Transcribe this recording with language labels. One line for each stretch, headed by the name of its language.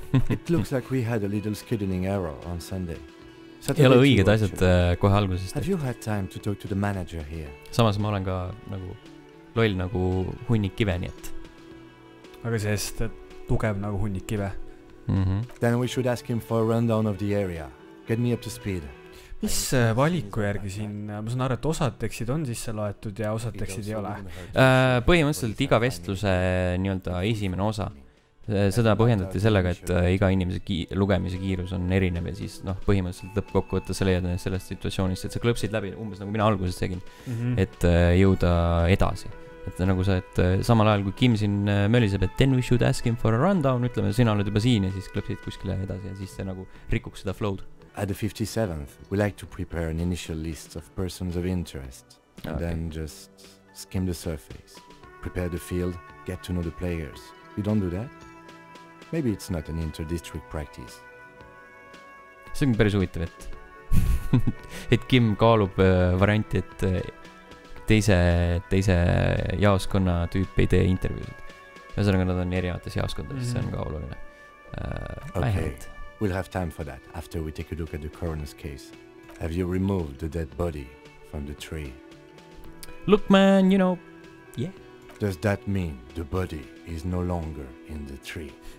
English: It looks like we had a little scheduling error on Sunday.
Estonian: Ei ole õiged asjad kohe alguses.
English: Have you had time to talk to the manager here?
Estonian: Samas ma olen ka nagu... Loll nagu hunnik kive, nii et. Aga sest tugev nagu hunnik kive. Mm-hmm.
English: Then we should ask him for a rundown of the area. Get me up to speed.
Estonian: Mis valiku järgi siin? Ma saan aru, et osateksid on sisse loetud ja osateksid ei ole. Põhimõtteliselt iga vestluse nii-öelda esimene osa. Seda põhjendati sellega, et iga inimese lugemise kiirus on erinev ja siis põhimõtteliselt lõppkokku võtta selle jääda sellest situatsioonist, et sa klõpsid läbi umbes nagu mina alguses tegin, et jõuda edasi. Et nagu sa, et samal ajal kui Kim siin möliseb, et
English: then we should ask him for a rundown,
Estonian: ütleme, sina oled juba siin ja siis klõpsid kuskile edasi ja siis see nagu rikuks seda flowd.
English: At the 57th, we like to prepare an initial list of persons of interest and then just skim the surface, prepare the field, get to know the players. You don't do that? Maybe it's not an inter-district practice.
Estonian: See on päris huvitav, et Kim kaalub varianti, et teise jaoskonna tüüp ei tee intervjuud. Ja sellega nad on erinevates jaoskondades, see on ka oluline.
English: Okay, we'll have time for that after we take a look at the coroner's case. Have you removed the dead body from the tree? Look, man, you know, yeah. Does that mean the body is no longer in the tree?